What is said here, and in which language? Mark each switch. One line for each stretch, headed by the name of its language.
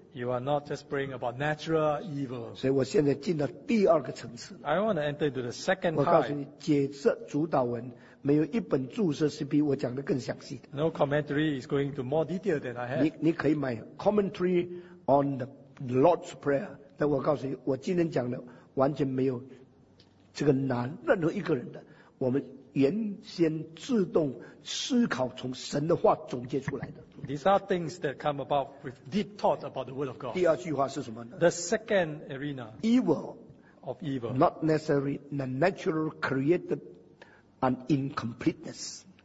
English: You are not just praying about natural evil.
Chinese: 所以我现在进了第二个层次。
English: I want to enter into the second
Chinese: part. 我告诉你，解释主导文。没有一本注释是比我讲的更详细的。
English: No commentary is going to more detail than I have.
Chinese: 你可以买
English: commentary on the Lord's Prayer.
Chinese: 但我告诉你，我今天讲的完全没有这个拿任何一个人的，我们原先自动思考从神的话总结出来的。
English: These are things that come about with deep thought about the Word of God.
Chinese: 第二句话是什么呢？
English: The second arena. Evil. Of evil. Not necessarily the natural created and incompleteness.